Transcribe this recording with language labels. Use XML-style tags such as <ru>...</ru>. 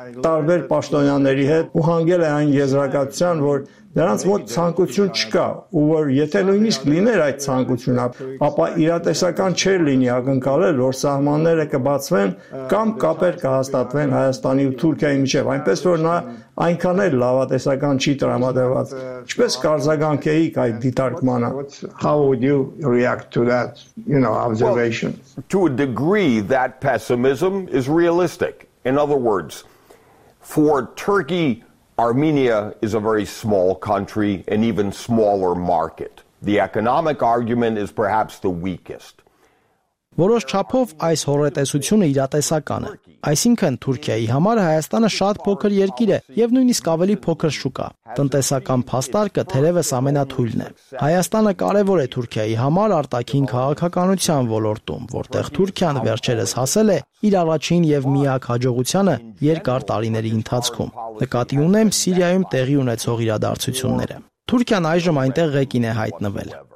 <hy>տարբեր պաշտոնյաների հետ ու հանգել է այն եզրակացության, որ նրանց մոտ ցանկություն չկա, ու որ եթե նույնիսկ լիներ այդ ցանկությունը, ապա իրատեսական չէր լինի ակնկալել, որ սահմանները կբացվեն կամ կապեր կհաստատվեն Հայաստանի ու Թուրքիայի միջև, այնպես որ նա այնքան էլ լավատեսական չի տրամադրված։ Ինչպես կարձագանքեիք այդ դիտարկմանը?</hy> <en>How would you react to that, you know, observation? To a degree that pessimism is realistic. In other words, for Turkey, Armenia is a very small country, an even smaller market. The economic argument is perhaps the weakest.</en> <hy>Որոշ չափով այս հորետեսությունը իրատեսական է։ Այսինքն Թուրքիայի համար Հայաստանը շատ փոքր երկիր է եւ նույնիսկ ավելի փոքր շուկա։ Տնտեսական փաստարկը թերևս ամենաթույլն է։ Հայաստանը կարևոր է Թուրքիայի համար արտաքին քաղաքականության ոլորտում, որտեղ Թուրքիան վերջերս հասել է իր առաջին եւ միակ հաջողությանը երկար տարիների ընթացքում։ Նկատի ունեմ Սիրիայում տեղի ունեցող իրադարձությունները։ Թուրքիան այժմ այնտեղ ղեկին է հայտնվել։</hy>